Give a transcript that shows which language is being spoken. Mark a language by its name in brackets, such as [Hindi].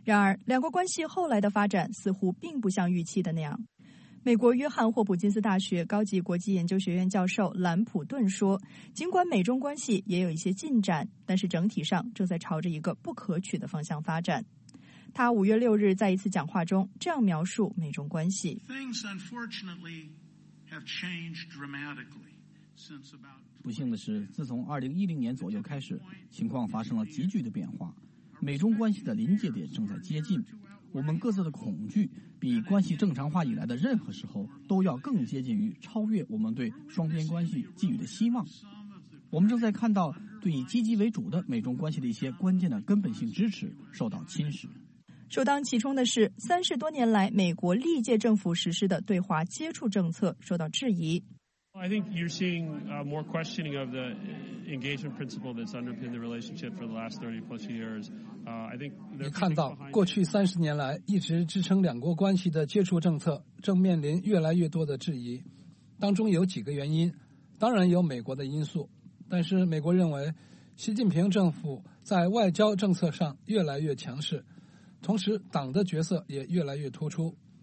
[Chinese] 然而，两国关系后来的发展似乎并不像预期的那样。美国约翰霍普金斯大学高级国际研究学院教授兰普顿说，尽管美中关系也有一些进展，但是整体上正在朝着一个不可取的方向发展。他5月6日在一次讲话中这样描述美中关系。 [English] Things unfortunately have changed dramatically. [Chinese] 不幸的是，自从2010年左右开始，情况发生了急剧的变化，美中关系的临界点正在接近，我们各自的恐惧比关系正常化以来的任何时候都要更接近于超越我们对双边关系寄予的希望。我们正在看到对以积极为主的美中关系的一些关键的根本性支持受到侵蚀。首当其冲的是，30多年来美国历届政府实施的对华接触政策受到质疑。 [English] I think you're seeing more questioning of the engagement principle that's underpinned the relationship for the last 30 plus years. I think [Chinese] 你看到过去30年来一直支撑两国关系的接触政策正面临越来越多的质疑。当中有几个原因，当然有美国的因素，但是美国认为习近平政府在外交政策上越来越强势，同时党的角色也越来越突出。